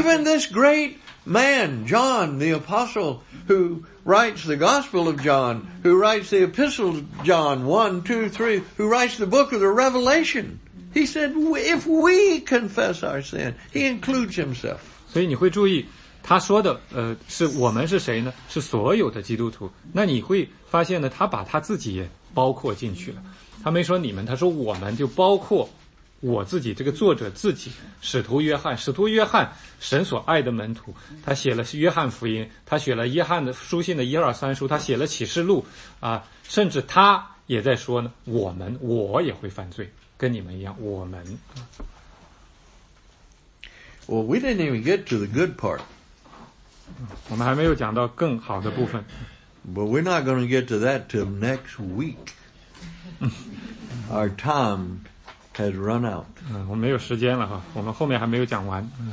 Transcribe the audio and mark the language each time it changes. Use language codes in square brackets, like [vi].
[en] even this great man, John, the apostle, who writes the Gospel of John, who writes the Epistles of John 1, 2, 3, who writes the book of the Revelation, he said, if we confess our sin, he includes himself. [zh] 所以你会注意, 他说的是我们是谁呢？是所有的基督徒。那你会发现呢，他把他自己也包括进去了。他没说你们，他说我们就包括我自己这个作者自己，使徒约翰。使徒约翰神所爱的门徒，他写了约翰福音，他写了约翰的书信的一二三书，他写了启示录，甚至他也在说呢，我们，我也会犯罪，跟你们一样，我们。 [en] Well, we didn't even get to the good part. [zh] 我们还没有讲到更好的部分. [en] But we're not going to get to that till next week. Our time has run out. [zh] 我们没有时间了，我们后面还没有讲完.